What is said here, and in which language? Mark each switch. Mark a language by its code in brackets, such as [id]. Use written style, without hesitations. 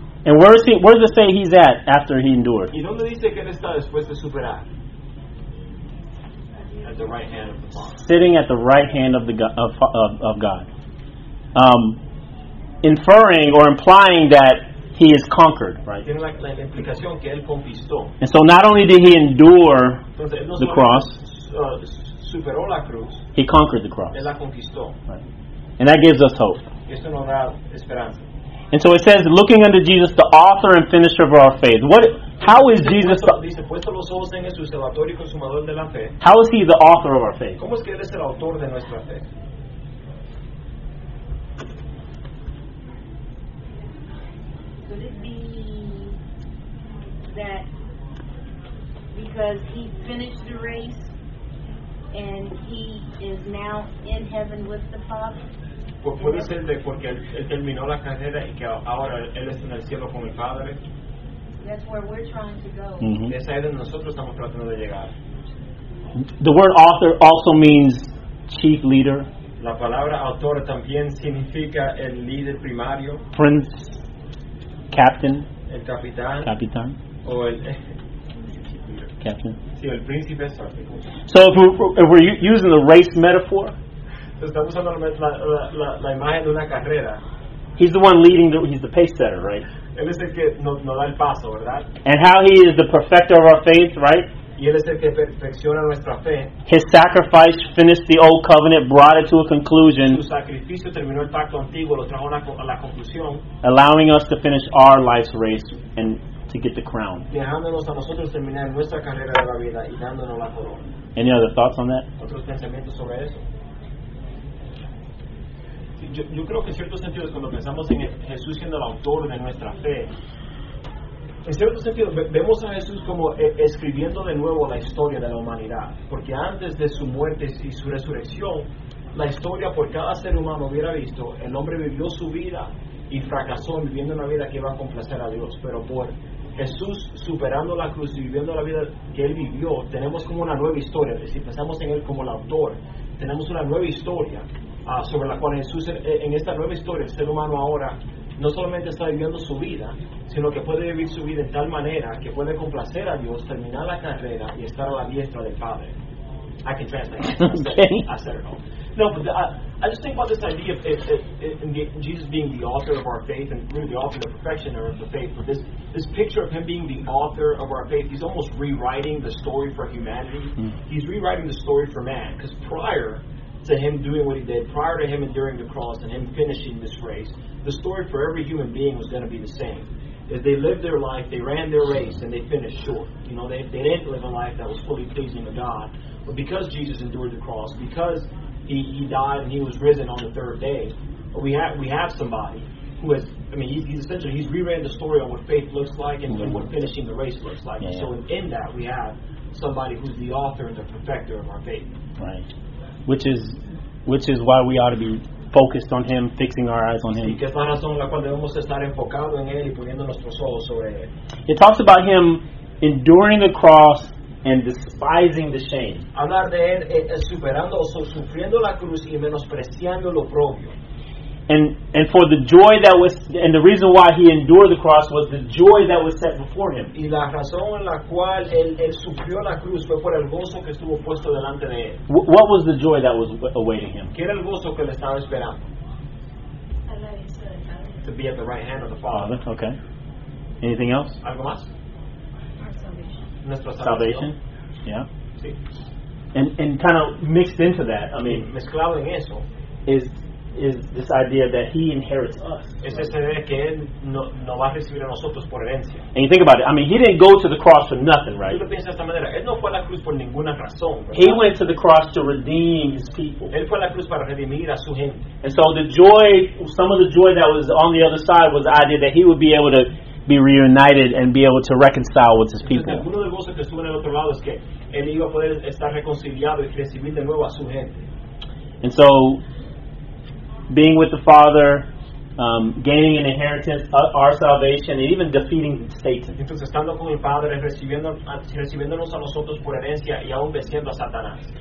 [en] And where does it say he's at after he endured? [es] ¿Y dónde dice que él está después de superar? [en] At the right hand of the Father. Sitting at the right hand of the of God. Inferring or implying that he is conquered, right? [es] Tiene la implicación que él conquistó. [en] And so not only did he endure the cross, [es] superó la cruz, [en] he conquered the cross. [es] Él la conquistó. [en] Right. And that gives us hope. [es] Esto nos da esperanza. [en] And so it says, looking unto Jesus, the author and finisher of our faith. How is Jesus how is he the author of our faith? [es] ¿Cómo es que él es el autor de nuestra fe? [en] Could it be that because he finished the race and he is now in heaven with the Father? [es] Pues puede ser de porque él terminó la carrera y que ahora él está en el cielo con el Padre. [en] That's where we're trying to go. Mm-hmm. [es] Es ahí donde nosotros estamos tratando de llegar. [en] The word author also means chief leader. [es] La palabra autor también significa el líder primario. [en] Prince. Captain. [es] El capitán. Capitán. O el [en] captain. [es] Sí, el príncipe. [en] So if we're using the race metaphor. [es] Estamos usando la imagen de una carrera. [en] He's the one leading. He's the pace setter, right? [es] Él es el que nos da el paso, ¿verdad? [en] And how he is the perfecter of our faith, right? [es] Y él es el que perfecciona nuestra fe. [en] His sacrifice finished the old covenant, brought it to a conclusion. [es] Su sacrificio terminó el pacto antiguo, lo trajo a la conclusión. [en] Allowing us to finish our life's race and to get the crown. [es] Dejándonos a nosotros terminar nuestra carrera de la vida y dándonos la corona. [en] Any other thoughts on that? [es] ¿Otros pensamientos sobre eso? Sí, yo creo que en cierto sentido es cuando pensamos en Jesús siendo el autor de nuestra fe. En cierto sentido, vemos a Jesús como escribiendo de nuevo la historia de la humanidad. Porque antes de su muerte y su resurrección, la historia por cada ser humano hubiera visto, el hombre vivió su vida y fracasó en viviendo una vida que iba a complacer a Dios. Pero por Jesús superando la cruz y viviendo la vida que él vivió, tenemos como una nueva historia. Es decir, pensamos en él como el autor. Tenemos una nueva historia sobre la cual Jesús, en esta nueva historia, el ser humano ahora no solamente está viviendo su vida, sino que puede vivir su vida en tal manera que puede complacer a Dios, terminar la carrera y estar a la diestra del Padre. [en] I can translate. I said it all. No, but I just think about this idea of Jesus being the author of our faith and really the author, the perfectioner of the faith. But this picture of him being the author of our faith, he's almost rewriting the story for humanity. Mm. He's rewriting the story for man. Because prior to him doing what he did, prior to him enduring the cross and him finishing this race, the story for every human being was going to be the same. As they lived their life, they ran their race, and they finished short. You know, they didn't live a life that was fully pleasing to God. But because Jesus endured the cross, because he died and he was risen on the third day, we have somebody who has, I mean, he's essentially rewritten the story on what faith looks like and mm-hmm. what finishing the race looks like. Yeah, so in that, we have somebody who's the author and the perfecter of our faith. Right. Which is why we ought to be focused on him, fixing our eyes on him. It talks about him enduring the cross and despising the shame. [es] Hablar de él superando o sufriendo la cruz y menospreciando lo propio. [en] And for the joy that was, and the reason why he endured the cross was the joy that was set before him. [es] Y la razón en la cual él sufrió la cruz fue por el gozo que estuvo puesto delante de él. [en] What was the joy that was awaiting him? [es] ¿Qué era el gozo que le estaba esperando? [en] To be at the right hand of the Father. Okay. Anything else? [es] ¿Algo más? [en] Salvation. Yeah. [es] Sí. [en] And kind of mixed into that, I mean, [es] mezclado en eso, [en] is this idea that he inherits us. [es] Es esta idea que él no va a recibir a nosotros por herencia. [en] And you think about it, I mean, he didn't go to the cross for nothing, right? [es] Tú lo piensas de esta manera, él no fue a la cruz por ninguna razón, ¿verdad? [en] He went to the cross to redeem his people. [es] Él fue a la cruz para redimir a su gente. [en] And so the joy, some of the joy that was on the other side was the idea that he would be able to be reunited and be able to reconcile with his people. [es] Uno de los gozos que estuvo en el otro lado es que él iba a poder estar reconciliado y recibir de nuevo a su gente. [en] And so, being with the Father, gaining an inheritance, our salvation, and even defeating Satan. [es] Entonces, estando con el Padre, recibiéndonos a nosotros por herencia y aún venciendo a Satanás.